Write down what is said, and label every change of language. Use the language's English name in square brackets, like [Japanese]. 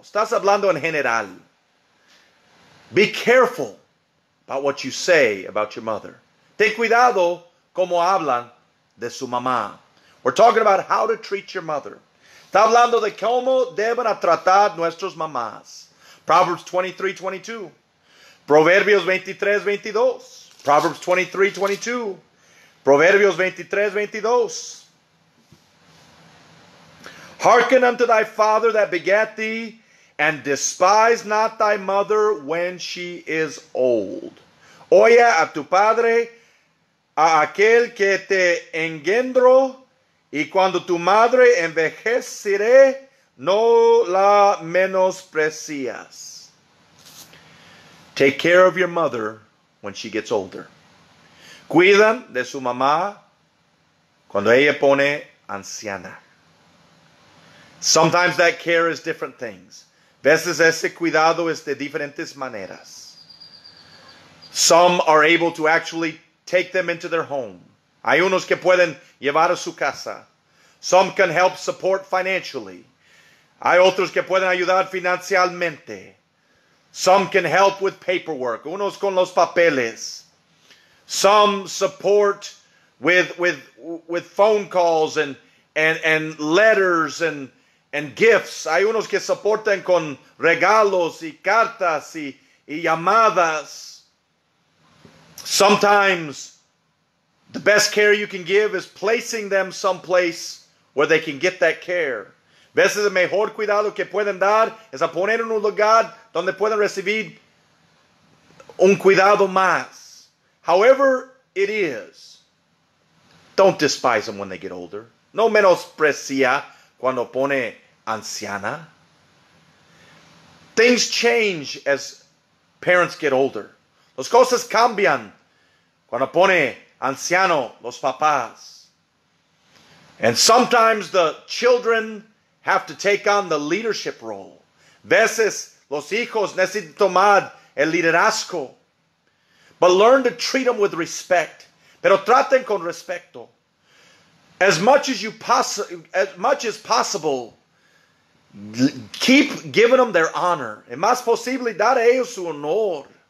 [Spanish] Estás hablando en general. [English] Be careful about what you say about your mother. [Spanish] Ten cuidado como hablan de su mamá. [English] We're talking about how to treat your mother. [Spanish] Está hablando de cómo deben tratar nuestras mamás. [English] Proverbs 23, 22. [Spanish] Proverbios 23, 22. [English] Proverbs 23, 22. [Spanish] Proverbios 23, 22. [English] Hearken unto thy father that begat thee, and despise not thy mother when she is old. [Spanish] Oye a tu padre, a aquel que te engendró, y cuando tu madre envejeciere, no la menosprecias. [English] Take care of your mother when she gets older. [Spanish] Cuidan de su mamá cuando ella pone anciana. [English] Sometimes that care is different things. [Spanish] Veces ese cuidado es de diferentes maneras. [English] Some are able to actually take them into their home. [Spanish] Hay unos que pueden llevar a su casa. [English] Some can help support financially. [Spanish] Hay otros que pueden ayudar financialmente. [English] Some can help with paperwork. [Spanish] Unos con los papeles. [English] Some support with phone calls and letters and gifts. [Spanish] Hay unos que soportan con regalos y cartas y llamadas. [English] Sometimes the best care you can give is placing them someplace where they can get that care. [Spanish] Veces el mejor cuidado que pueden dar es a poner en un lugar donde pueden recibir un cuidado más. [English] However it is, don't despise them when they get older. [Spanish] No menosprecia cuando pone anciana. [English] Things change as parents get older. [Spanish] Las cosas cambian cuando pone anciano los papás. [English] And sometimes the children have to take on the leadership role. [Spanish] Veces los hijos necesitan tomar el liderazgo. [English] But learn to treat them with respect. [Spanish] Pero traten con respeto. [English] As much as possible, keep giving them their honor. [Spanish] Y más posible, dar a ellos su honor.